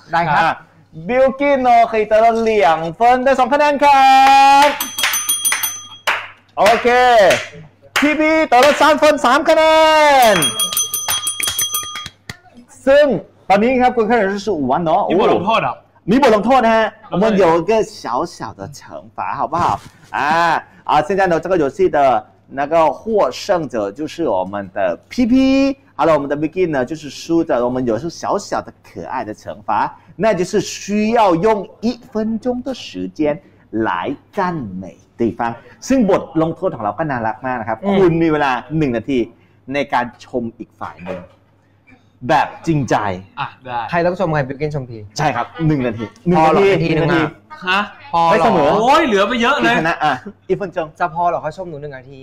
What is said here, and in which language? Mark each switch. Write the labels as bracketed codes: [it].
[th] ได้ครับ บิลกินโอเคได้2คะแนนได้2คะแนนครับโอเคพี่บีได้3คะแนน3คะแนนซึ่งตอนนี้ครับคุณคะแนน [zh] 是5 [th] เนาะ มีบทลงโทษอ่ะ มีบทลงโทษนะฮะ [zh] 我们有一个小小的惩罚好不好现在呢这个游戏的那个获胜者就是我们的 PP， 好了，我们的 Begin 呢就是输的。我们有时候小小的可爱的惩罚，那就是需要用一分钟的时间来赞美对方。 [th] ซึ่งบทลงโทษของเราก็น่ารักมากนะครับคุณมีเวลา1นาทีในการชมอีกฝ่ายหนึ่ง แบบจริงใจ อ่ ะได้ใครต้องชมใครบิวกิ้นชมพี ใช่ครับ1นาที 1นาทีพอหรอ1นาที ฮะพอ ไม่เสมอ โอ้ยเหลือไปเยอะเลย นะอ่ะ อีฟอนจงจะพอหรอเขาชมหนู1นาที